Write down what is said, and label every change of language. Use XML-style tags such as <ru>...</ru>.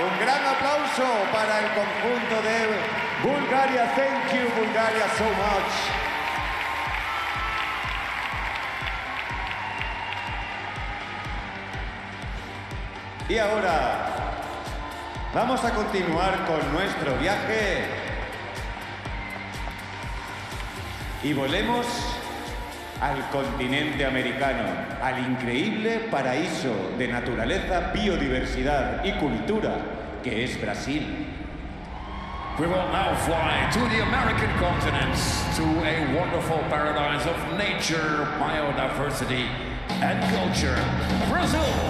<es>Un gran aplauso para el conjunto de Bulgaria.</es> <en>Thank you, Bulgaria, so much.</en> <es>Y ahora vamos a continuar con nuestro viaje y volemos al continente americano, al increíble paraíso de naturaleza, biodiversidad y cultura que es Brasil.</es> <en>We will now fly to the American continent, to a wonderful paradise of nature, biodiversity and culture, Brazil.</en>